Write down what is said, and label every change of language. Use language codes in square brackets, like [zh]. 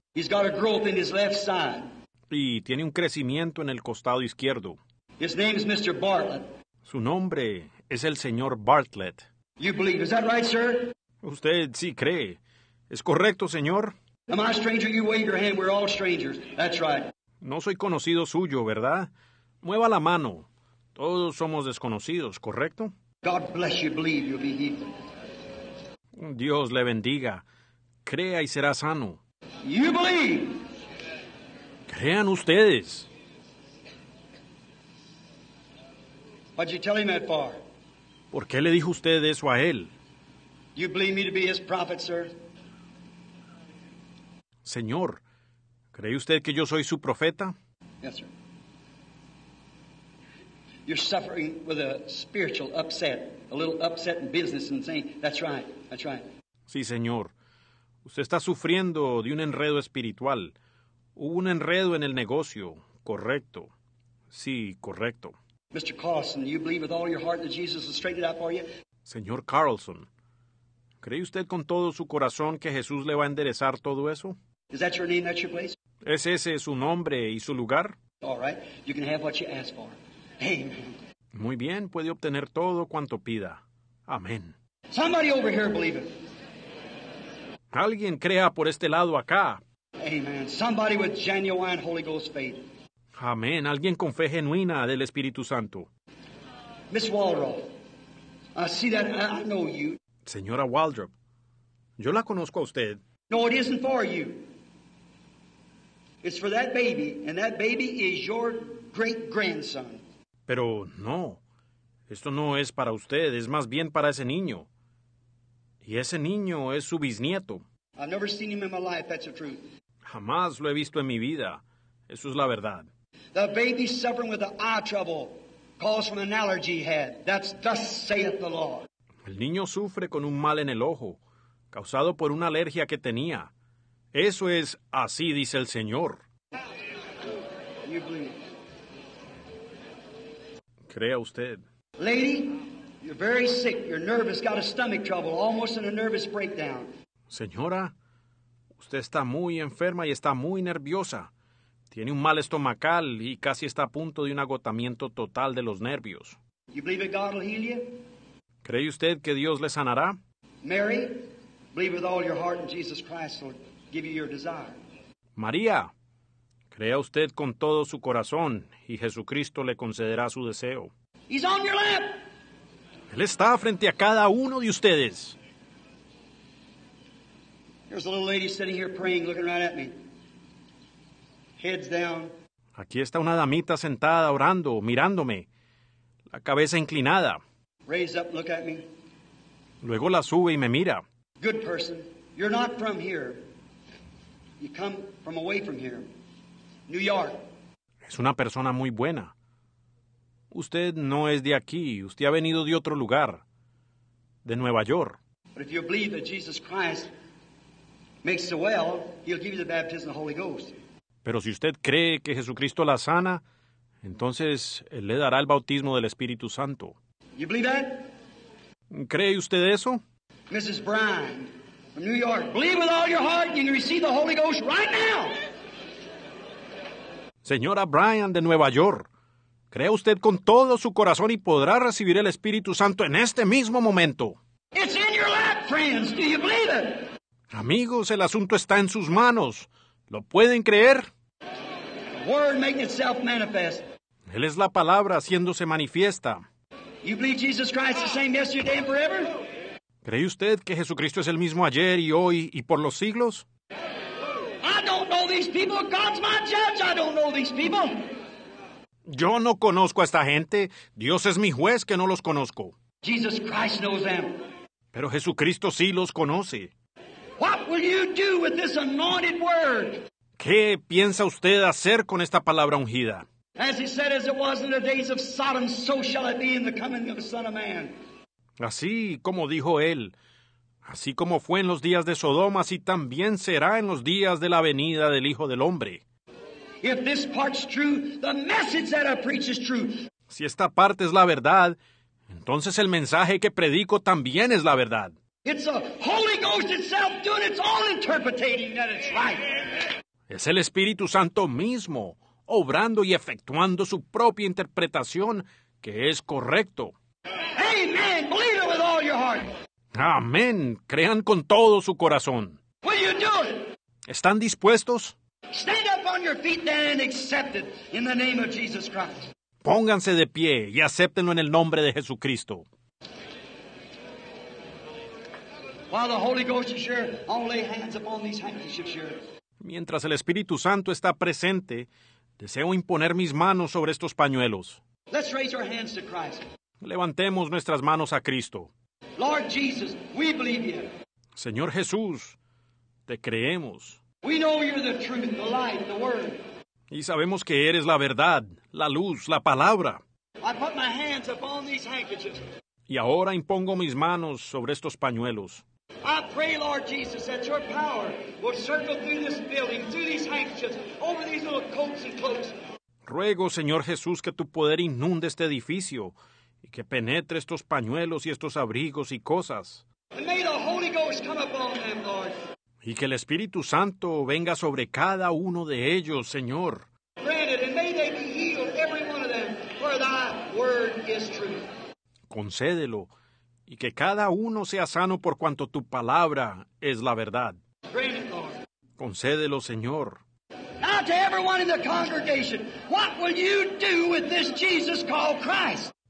[en] He's got a growth in his left side. [es] Y tiene un crecimiento en el costado izquierdo. [en] His name is Mr. Bartlett. [es] Su nombre es el señor Bartlett. [en] You believe, is that right, sir? [es] Usted sí cree. ¿Es correcto, señor? [en] Am I a stranger? You wave your hand. We're all strangers. That's right. [es] No soy conocido suyo, ¿verdad? Mueva la mano. Todos somos desconocidos, ¿correcto? [en] God bless you. Believe you'll be healed. [es] Dios le bendiga. Crea y será sano. [en] You believe. [es] Crean ustedes. [en] What'd you tell him that for? [es] ¿Por qué le dijo usted eso a él? [en] You believe me to be his prophet, sir? [es] Señor, ¿cree usted que yo soy su profeta? [en] Yes, sir. You're suffering with a spiritual upset, a little upset in business and saying, that's right, that's right. [es] Sí, señor. Usted está sufriendo de un enredo espiritual. Hubo un enredo en el negocio. Correcto. Sí, correcto. [en] Mr. Carlson, do you believe with all your heart that Jesus has straightened it out for you? [es] Señor Carlson, ¿Cree usted con todo su corazón que Jesús le va a enderezar todo eso? [en] Is that your name? That's your place? [es] ¿Es ese su nombre y su lugar? [en] All right. You can have what you ask for. Amen. [es] Muy bien, puede obtener todo cuanto pida. Amén. [en] Somebody over here believe it. [es] Alguien crea por este lado acá. [en] Amen. Somebody with genuine Holy Ghost faith. [es] Amén. Alguien con fe genuina del Espíritu Santo. [en] Miss Waldrop, I see that I know you. [es] Señora Waldrop, yo la conozco a usted. [en] No, it isn't for you. It's for that baby, and that baby is your great-grandson. [es] Pero no, esto no es para usted, es más bien para ese niño. Y ese niño es su bisnieto. [en] I've never seen him in my life, that's the truth. [es] Jamás lo he visto en mi vida, eso es la verdad. [en] The baby's suffering with the eye trouble caused from an allergy he had. That's thus saith the Lord. [es] El niño sufre con un mal en el ojo, causado por una alergia que tenía. Eso es así, dice el Señor. [en] You believe. [es] Crea usted. [en] Lady, you're very sick. You're nervous, got a stomach trouble, almost in a nervous breakdown. [es] Señora, usted está muy enferma y está muy nerviosa. Tiene un mal estomacal y casi está a punto de un agotamiento total de los nervios. [en] You believe that God will heal you? [es] ¿Cree usted que Dios le sanará? [en] Mary, believe with all your heart in Jesus Christ will give you your desire. [es] María, crea usted con todo su corazón y Jesucristo le concederá su deseo. [en] He's on your lap. [es] Él está frente a cada uno de ustedes. [en] There's a little lady sitting here praying, looking right at me. Heads down. [es] Aquí está una damita sentada orando, mirándome, la cabeza inclinada. [en] Raise up, look at me. [es] Luego la sube y me mira. [en] Good person, you're not from here. You come from away from here. New York. [es] Es una persona muy buena. Usted no es de aquí. Usted ha venido de otro lugar, de Nueva York. [en] But if you believe that Jesus Christ makes the well, he'll give you the baptism of the Holy Ghost. [es] Pero si usted cree que Jesucristo la sana, entonces él le dará el bautismo del Espíritu Santo. [en] You believe that? [es] ¿Cree usted eso? [en] Mrs. Bryan, from New York, believe with all your heart and you receive the Holy Ghost right now. [es] Señora Bryan de Nueva York, crea usted con todo su corazón y podrá recibir el Espíritu Santo en este mismo momento. [en] It's in your lap, friends. Do you believe it? [es] Amigos, el asunto está en sus manos. ¿Lo pueden creer? [en] The word making itself manifest. [es] Él es la palabra haciéndose manifiesta. [en] You believe Jesus Christ the same yesterday and forever? [es] ¿Cree usted que Jesucristo es el mismo ayer y hoy y por los siglos? [en] I don't know these people. God's my judge. I don't know these people. [es] Yo no conozco a esta gente. Dios es mi juez que no los conozco. [en] Jesus Christ knows them. [es] Pero Jesucristo sí los conoce. [en] What will you do with this anointed word? [es] ¿Qué piensa usted hacer con esta palabra ungida? [en] As he said, as it was in the days of Sodom, so shall it be in the coming of the Son of Man. [es] Así como dijo él, así como fue en los días de Sodoma, así también será en los días de la venida del Hijo del Hombre. [en] If this part's true, the message that I preach is true. [es] Si esta parte es la verdad, entonces el mensaje que predico también es la verdad. [en] It's the Holy Ghost itself doing its own interpreting that it's right. [es] Es el Espíritu Santo mismo, obrando y efectuando su propia interpretación, que es correcto. [en] Amen. Believe it with all your heart. [es] Amén. Crean con todo su corazón. [en] Will you do it? [es] ¿Están dispuestos? [en] Stand up on your feet then and accept it in the name of Jesus Christ. [es] Pónganse de pie y acéptenlo en el nombre de Jesucristo. [en] While the Holy Ghost is here, I'll lay hands upon these handkerchiefs here. [es] Mientras el Espíritu Santo está presente, deseo imponer mis manos sobre estos pañuelos. [en] Let's raise our hands to Christ. [es] Levantemos nuestras manos a Cristo. [en] Lord Jesus, we believe you. [es] Señor Jesús, te creemos. [en] We know you're the truth, the light, the word. [es] Y sabemos que eres la verdad, la luz, la palabra. [en] I put my hands upon these handkerchiefs. [es] Y ahora impongo mis manos sobre estos pañuelos. [en] I pray, Lord Jesus, that your power will circle through this building, through these handkerchiefs, over these little coats and cloaks. [es] Ruego, Señor Jesús, que tu poder inunde este edificio y que penetre estos pañuelos y estos abrigos y cosas. [en] May the Holy Ghost come upon them, Lord. [es] Y que el Espíritu Santo venga sobre cada uno de ellos, Señor. [en] Granted, and may they be healed, every one of them, for thy word is true. [es] Concédelo, y que cada uno sea sano por cuanto tu palabra es la verdad. [en] Granted, Lord. [es] Concédelo, Señor. [en] Now to everyone in the congregation, what will you do with this Jesus called Christ?